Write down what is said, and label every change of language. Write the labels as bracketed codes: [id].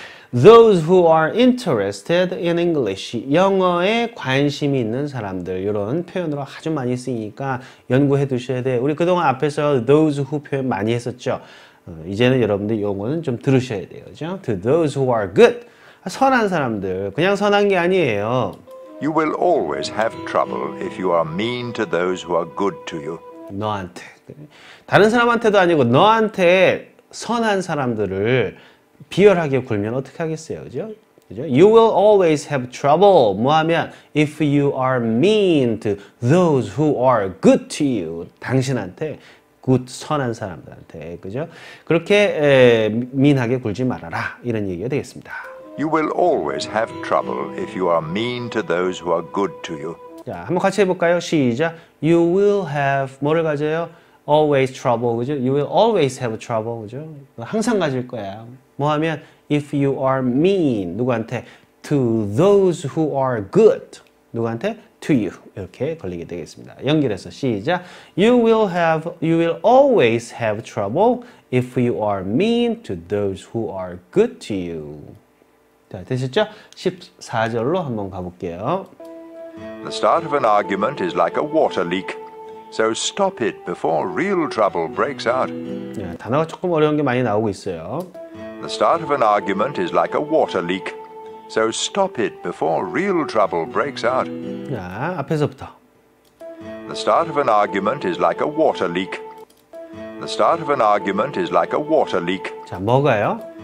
[en] Those who are interested in English. [ko] 영어에 관심이 있는 사람들. 이런 표현으로 아주 많이 쓰이니까 연구해 두셔야 돼. 우리 그동안 앞에서 those who 표현 많이 했었죠? 이제는 여러분들 용어는 좀 들으셔야 돼요, 그죠? [en] To those who are good. [ko] 선한 사람들. 그냥 선한 게 아니에요. [en] You will always have trouble if you are mean to those who are good to you. [ko] 너한테. 다른 사람한테도 아니고 너한테 선한 사람들을 비열하게 굴면 어떻게 하겠어요? 그죠? 그죠? [en] You will always have trouble. [ko] 뭐 하면 [en] if you are mean to those who are good to you. [ko] 당신한테 good 선한 사람들한테. 그죠? 그렇게 민하게 굴지 말아라. 이런 얘기가 되겠습니다. [en] You will always have trouble if you are mean to those who are good to you. [ko] 자, 한번 같이 해볼까요? 시작! [en] You will have, [ko] 뭐를 가져요? [en] Always trouble, 그죠? You will always have trouble, 그죠? [ko] 항상 가질 거야. 뭐 하면, [en] if you are mean, [ko] 누구한테? [en] To those who are good, 누구한테? To you, [ko] 이렇게 걸리게 되겠습니다. 연결해서 시작! [en] You will always have trouble if you are mean to those who are good to you. [ko] 자, 되셨죠? 14절로 한번 가볼게요. [en] The start of an argument is like a water leak. So stop it before real trouble breaks out. [ko] 네, 단어가 조금 어려운 게 많이 나오고 있어요. [en] The start of an argument is like a water leak. So stop it before real trouble breaks out. [ko] 야, 앞에서부터. [en] The start of an argument is like a water leak. The start of an argument is like a water leak. [ko] 자, 뭐가요?